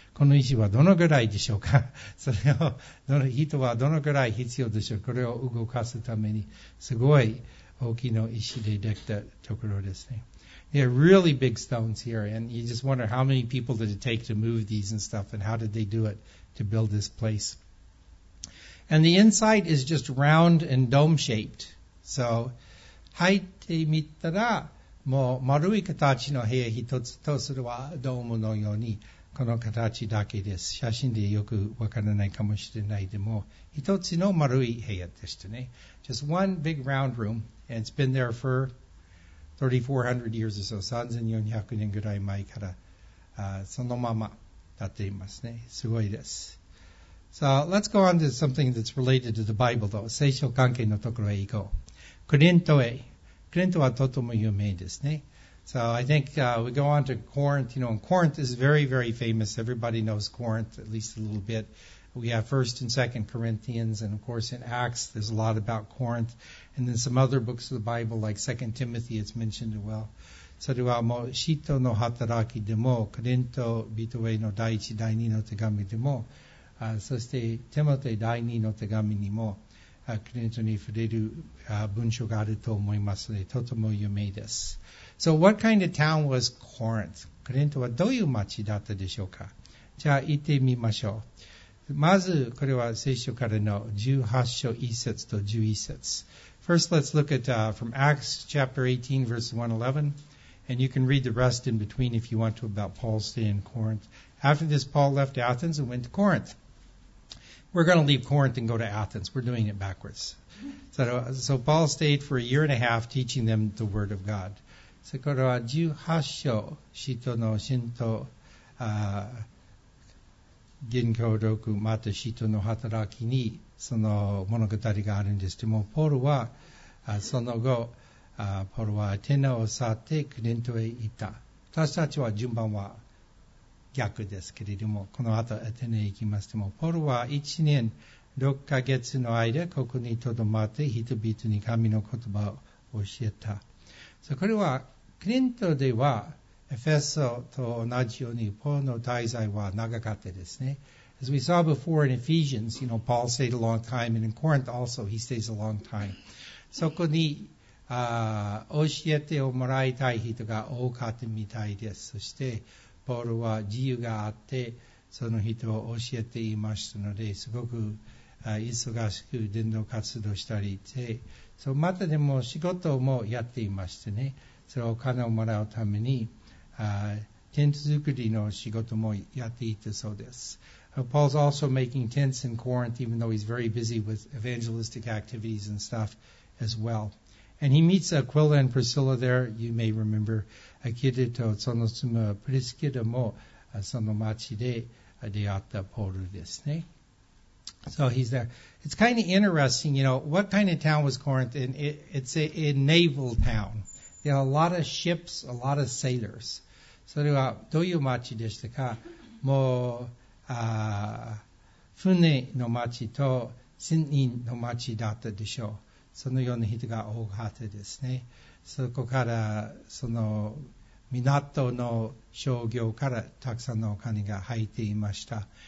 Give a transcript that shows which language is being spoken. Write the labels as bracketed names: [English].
[Japanese] この石はどのぐらいでしょうか。それを、人はどのぐらい必要でしょう。これを動かすために、すごい大きな石でできたところですね。 [English] They are really big stones here, and you just wonder how many people did it take to move these and stuff, and how did they do it to build this place. And the inside is just round and dome-shaped. [Japanese] So,入ってみたらもう丸い形の部屋一つと、それはドームのようにこの形だけです。写真でよくわからないかもしれない。でも一つの丸い部屋でしたね。 [English] Just one big round room, and it's been there for 3400 years or so. [Japanese] 3400年ぐらい前からそのまま建っていますね。すごいです。 [English] So let's go on to something that's related to the Bible though. [Japanese] 聖書関係のところへ行こう。クリントへ。クリントはとても有名ですね。 [English] So I think、we go on to Corinth. You know, Corinth is very, very famous. Everybody knows Corinth, at least a little bit. We have 1st and 2nd Corinthians, and of course in Acts, there's a lot about Corinth. And then some other books of the Bible, like 2nd Timothy, it's mentioned as well. [Japanese] それはもう使徒の働きでも、クリント人への第一、第二の手紙でも、そしてテモテ第二の手紙にも、クリントに触れる文章があると思いますので、とても有名です。 [English] So what kind of town was Corinth? [Japanese] クリントはどういう町だったでしょうか。じゃあ行ってみましょう。まずこれは聖書からの18章1節と11節。 [English] First, let's look at from Acts chapter 18, verse 1-11. And you can read the rest in between if you want to about Paul's stay in Corinth. After this, Paul left Athens and went to Corinth. We're going to leave Corinth and go to Athens. We're doing it backwards. So Paul stayed for a year and a half teaching them the word of God. [Japanese] So これは18章、使徒の信徒、言語録、また使徒の働きにその物語があるんですけども、ポールは、その後、ポールはアテナを去ってクリントへ行った。私たちは順番は、逆ですけれども、この後アテネへ行きますも、ポルは1年6ヶ月の間、ここに留まって人々に神の言葉を教えた。 So、これは、クリントでは、エフェソと同じように、ポルの滞在は長かったですね。 [English] As we saw before in Ephesians, you know, Paul stayed a long time, and in Corinth also, he stays a long time. [Japanese] そこに、教えてをもらいたい人が多かったみたいです。そして、ポールは自由があってその人を教えていましたので、すごく忙しく伝道活動したりして、そうまたでも仕事もやっていましてね、それをお金をもらうためにテント作りの仕事もやっていたそうです。 [English] Paul's also making tents in Corinth, even though he's very busy with evangelistic activities and stuff as well. And he meets Aquila and Priscilla there, you may remember [Japanese] アキレとその妻プリスキルもその町で出会ったポールですね。 [English] So he's there. It's kind of interesting, you know, what kind of town was Corinth? And it's a naval town. There are a lot of ships, a lot of sailors. [Japanese] それはどういう町でしたか？もう船の町と船員の町だったでしょう。そのような人が多かったですね。そこからその港の商業からたくさんのお金が入っていました。